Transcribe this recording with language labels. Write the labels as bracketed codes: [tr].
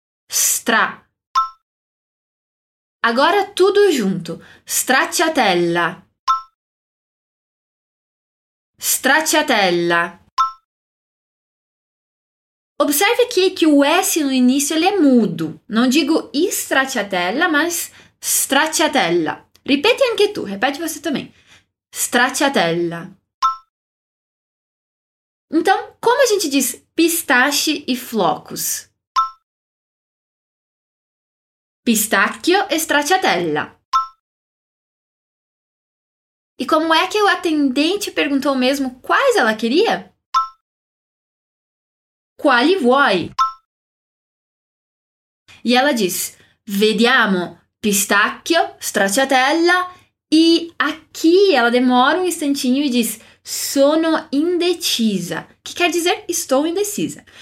[pt] Stra. Agora tudo junto. [it] Stracciatella. Stracciatella. [pt] Observe aqui que o S no início ele é mudo. Não digo stracciatella, mas stracciatella. Repete [it] anche tu, [pt] repete você também. Stracciatella. Então, como a gente diz pistache e flocos? [it] Pistacchio e stracciatella. [pt] E como é que o atendente perguntou mesmo quais ela queria? [it] Quali vuoi? [pt] E ela diz, [it] vediamo pistacchio, stracciatella [pt] e aqui ela demora um instantinho e diz, [it] sono indecisa, [pt] que quer dizer estou indecisa.